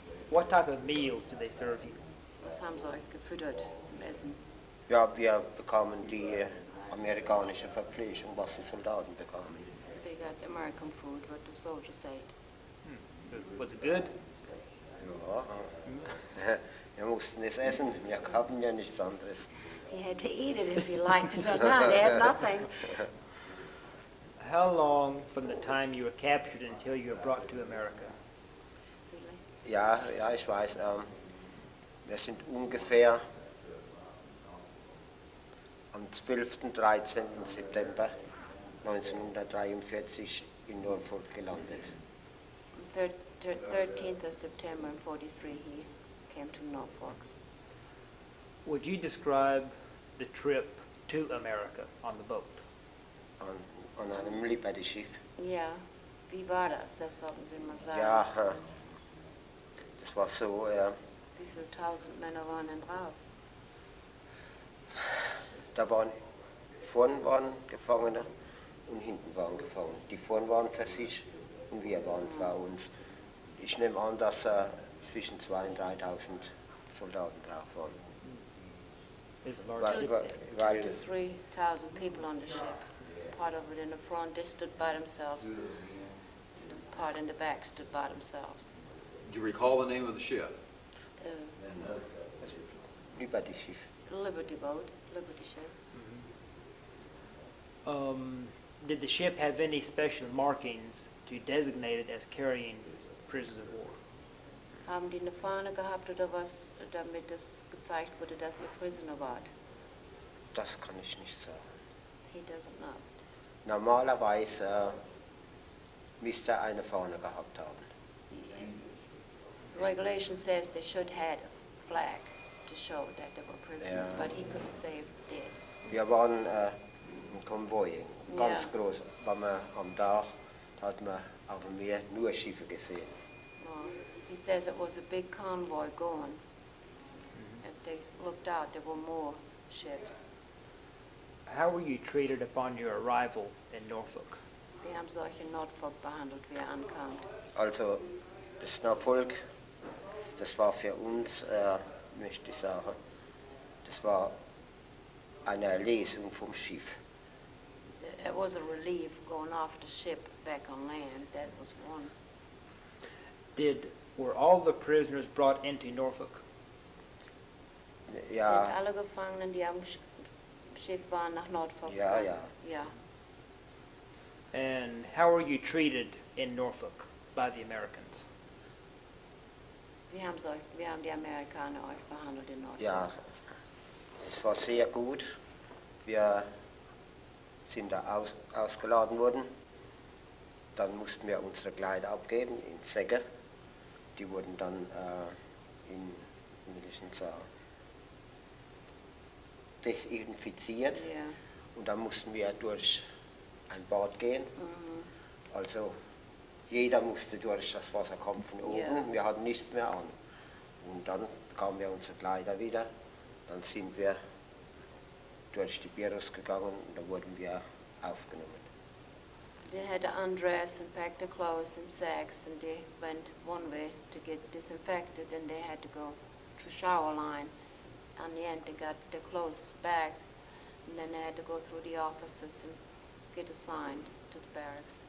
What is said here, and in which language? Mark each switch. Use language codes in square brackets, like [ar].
[en] What type of meals do they serve you? [de] Was haben sie euch gefüttert zum Essen? Ja, wir bekommen die amerikanische Verpflegung, was die Soldaten bekommen. [en] They got American food, what the soldiers ate. Was it good? [de] Ja, wir mussten es essen, wir hatten ja nichts anderes. [en] He had to eat it if he liked it or not, he had nothing. How long from the time you were captured until you were brought to America? [de] Ja, ich weiß, wir sind ungefähr am 12. 13. September 1943 in Norfolk gelandet. [en] 13th of September in 43, he came to Norfolk. Would you describe the trip to America on the boat? On an Emily Betty Schiff? Yeah. [de] Wie war das? Das war uns in Masar. Ja, das war so, Wie viele tausend Männer waren denn drauf? Da waren, vorne waren Gefangene und hinten waren Gefangene. Die vorne waren für sich und wir waren für uns. Ich nehme an, dass zwischen 2.000 und 3.000 Soldaten drauf waren. [en] Is [de] weil [en] 3.000 people on the ship. Part of it in the front, they stood by themselves. Part in the back stood by themselves. Do you recall the name of the ship? Liberty Ship. Liberty Boat, Liberty Ship. Mm-hmm. Did the ship have any special markings to designate it as carrying prisoners of war? [de] Haben die eine Fahne gehabt oder was, damit es gezeigt wurde, dass ihr Prisoner wart? Das kann ich nicht sagen. [en] He doesn't know. [de] Normalerweise müsste er eine Fahne gehabt haben. [en] The regulation says they should have a flag to show that they were prisoners, but he couldn't say if they did. [de] Wir waren im Konvoi, ganz groß, waren wir am Dach, da hatten wir auf dem Meer nur Schiffe gesehen. [en] He says it was a big convoy going. If they looked out, there were more ships. How were you treated upon your arrival in Norfolk? [de] Wie haben sie euch in Norfolk behandelt, wie ihr ankamt? Also, das Norfolk, das war für uns, möchte ich sagen, das war eine Erlösung vom Schiff. [en] It was a relief going off the ship back on land. That was one. Were all the prisoners brought into Norfolk? [de] Ja. Sind alle Gefangenen, die am Schiff waren, nach Norfolk? Ja, ja. Ja. [en] And how were you treated in Norfolk by the Americans? [de] Wie haben die Amerikaner euch behandelt in Norfolk? Ja, es war sehr gut. Wir sind da ausgeladen worden. Dann mussten wir unsere Kleider abgeben in Säcke. Die wurden dann in englischen Zahlen desinfiziert. [en] Yeah. [de] Und dann mussten wir durch ein Bad gehen. Mm-hmm. Also jeder musste durch das Wasser kommen von oben. [en] Yeah. [de] Wir hatten nichts mehr an. Und dann bekamen wir unsere Kleider wieder. Dann sind wir durch die Büros gegangen und dann wurden wir aufgenommen. [en] They had to undress and pack their clothes and sacks, and they went one way to get disinfected, and they had to go to shower line. In the end, they got their clothes back, and then they had to go through the offices and get assigned to the barracks.